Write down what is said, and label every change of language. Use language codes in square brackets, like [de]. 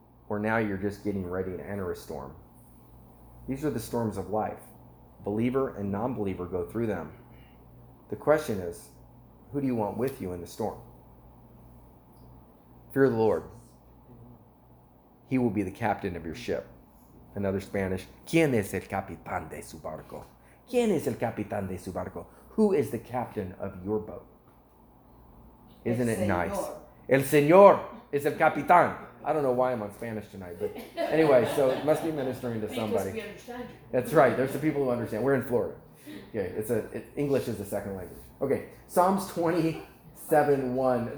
[en] Or now you're just getting ready to enter a storm. These are the storms of life. Believer and non-believer go through them. The question is, who do you want with you in the storm? Fear the Lord. He will be the captain of your ship. Another Spanish, [es] ¿quién es el capitán de su barco? ¿Quién es el capitán de su barco? [en] Who is the captain of your boat? Isn't it nice? [es] El Señor es el capitán. [en] I don't know why I'm on Spanish tonight, but anyway, so it must be ministering to somebody. That's right. There's some people who understand. We're in Florida. Okay, English is a second language. Okay, Psalms 27:1.